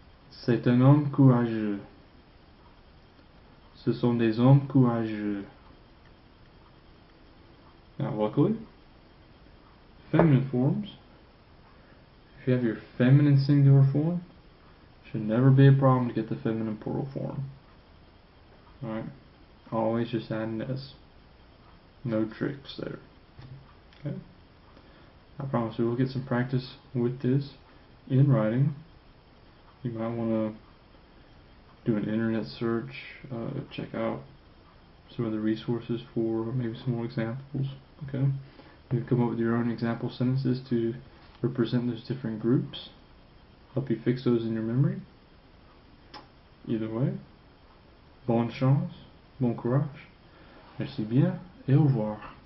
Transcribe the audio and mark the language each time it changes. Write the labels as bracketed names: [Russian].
[French] C'est un homme courageux. Ce sont des hommes courageux. [English] Now, luckily, feminine forms, if you have your feminine singular form, should never be a problem to get the feminine plural form. Alright? Always just add an S. No tricks there. Okay? I promise we will get some practice with this in writing. You might want to do an internet search, check out some of the resources for maybe some more examples. Okay? You can come up with your own example sentences to represent those different groups. Help you fix those in your memory. [French] Either way, bonne chance, bon courage, merci bien, et au revoir.